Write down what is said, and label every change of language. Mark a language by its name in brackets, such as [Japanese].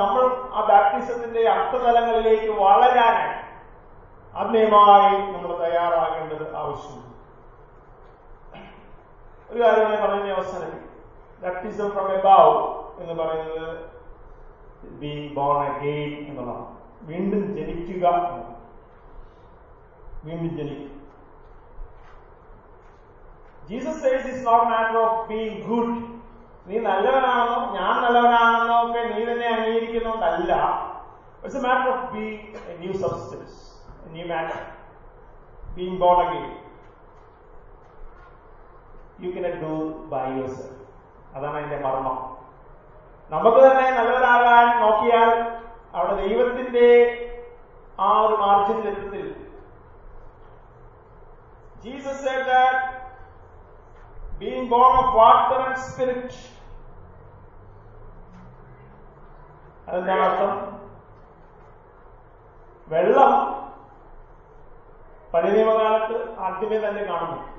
[Malayalam] നമ്മൾ ആ ബാപ്റ്റിസത്തിന്റെ അർത്ഥതലങ്ങളിലേക്ക് വളരാൻ ആത്മീയമായി നമ്മൾ തയ്യാറാകേണ്ടത് ആവശ്യമാണ്. ഒരു കാര്യം ഞാൻ പറഞ്ഞ അവസാനം, [English] baptism from above [Malayalam] എന്ന് പറയുന്നത് [English] being born again [Malayalam] എന്നുള്ളതാണ്, വീണ്ടും ജനിക്കുക, വീണ്ടും ജനിക്കുക. [English] Jesus says it's not a matter of being good. [Malayalam] നീ നല്ലവനാണെന്നോ ഞാൻ നല്ലവനാണെന്നോ ഒക്കെ നീ തന്നെ അംഗീകരിക്കുന്നോണ്ടല്ല, [English] It's a matter of being a new substance, a new matter, being born again. You cannot do by yourself. [Malayalam] അതാണ് അതിന്റെ മർമ്മം. നമുക്ക് തന്നെ നല്ലവരാകാൻ നോക്കിയാൽ അവിടെ ദൈവത്തിന്റെ ആ ഒരു മാർഗത്തിൽ എത്തുന്നതിൽ [English] Jesus said that being born of water and spirit, [Malayalam] അതിന്റെ അർത്ഥം വെള്ളം പരിണിയമകാലത്ത് ആദ്യമേ തന്നെ കാണുന്നു.